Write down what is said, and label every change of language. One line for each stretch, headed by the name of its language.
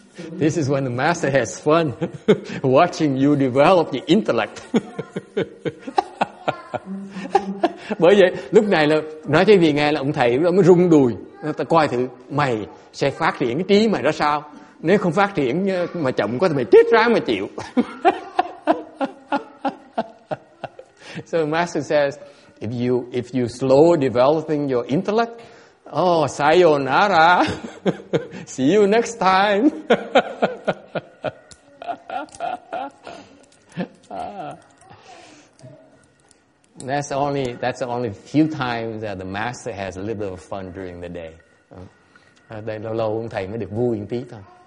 English: This is when the master has fun watching you develop the intellect.
Vietnamese: Bởi vậy lúc này là nói cho vị nghe là ông thầy ông mới rung đùi, ta coi thử mày sẽ phát triển cái trí mày ra sao, nếu không phát triển mà chậm quá thì mày chết ráng mà chịu.
English: So the master says, if you slow developing your intellect, oh sayonara, see you next time. That's only few times that the master has a little bit of fun during the day.
Vietnamese: Đây lâu lâu ông thầy mới được vui một tí thôi.